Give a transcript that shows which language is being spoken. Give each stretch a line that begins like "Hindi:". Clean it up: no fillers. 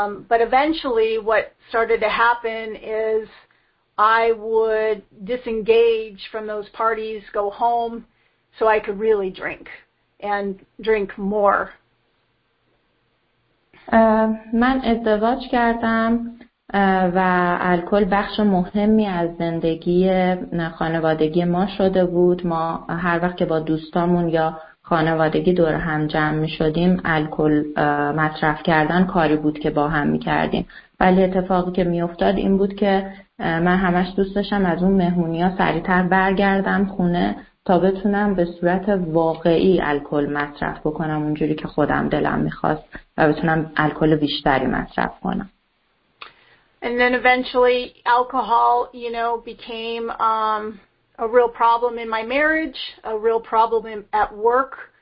English: But eventually what started to happen is I would disengage from those parties, go home, so I could really drink and drink more.
Persian: من ازدواج کردم و الکل بخش مهمی از زندگی خانوادگی ما شده بود. ما هر وقت که با دوستامون یا خانوادگی دور هم جمع می شدیم، الکل مصرف کردن کاری بود که با هم می کردیم. ولی اتفاقی که می افتاد این بود که من همش دوست داشتم از اون مهمونی ها سریعتر برگردم خونه تا بتونم به صورت واقعی الکل مصرف بکنم اونجوری که خودم دلم می خواست و بتونم الکل بیشتری مصرف کنم.
English: And then eventually alcohol, you know, became a real problem in my marriage, a real problem at work.